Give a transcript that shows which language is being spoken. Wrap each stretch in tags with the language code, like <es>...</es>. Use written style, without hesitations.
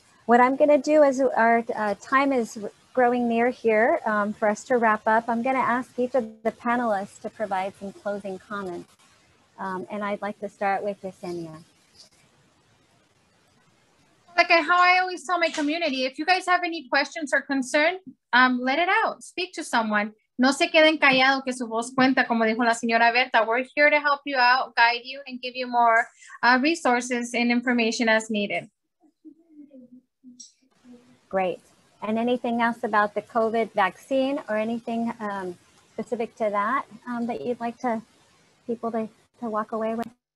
<en>What I'm going to do, as our time is growing near here, for us to wrap up, I'm going to ask each of the panelists to provide some closing comments. And I'd like to start with Yesenia. Like how I always tell my community, if you guys have any questions or concern, let it out. Speak to someone.</en> <es>No se queden callados, que su voz cuenta, como dijo la señora Berta.</es> <en>We're here to help you out, guide you, and give you more resources and information as needed. Great. And anything else about the COVID vaccine or anything specific to that that you'd like to people to walk away with?</en>